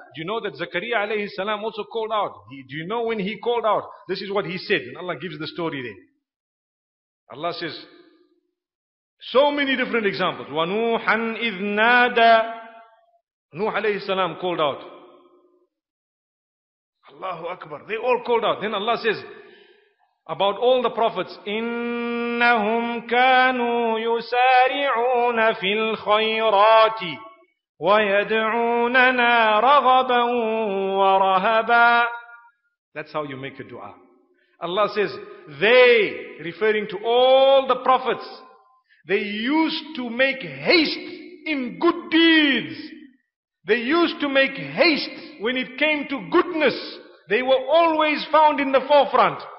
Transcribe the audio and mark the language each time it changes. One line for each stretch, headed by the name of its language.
English: Do you know that Zakariya alayhi salam also called out? Do you know when he called out? This is what he said. And Allah gives the story there. Allah says, so many different examples.
Arabic: وَنُوحًا إِذْ نَادَى.
English: Nuh alayhi salam called out. Allahu Akbar. They all called out. Then Allah says, about all the prophets,
Arabic: إِنَّهُمْ كَانُوا يُسَارِعُونَ فِي الْخَيْرَاتِ وَيَدْعُونَنَا رَغَبًا وَرَهَبًا.
English: That's how you make a dua. Allah says, they, referring to all the prophets, they used to make haste in good deeds. They used to make haste when it came to goodness. They were always found in the forefront.